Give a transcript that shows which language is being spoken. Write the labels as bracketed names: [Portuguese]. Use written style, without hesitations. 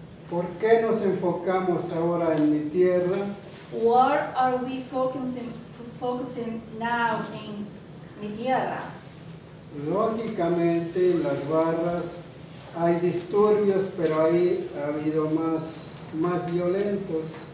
[Spanish] ¿Por qué nos enfocamos ahora en mi tierra? [English] What are we focusing now in mi tierra? [Spanish] Lógicamente, en las barras hay disturbios, pero ahí ha habido más violentos.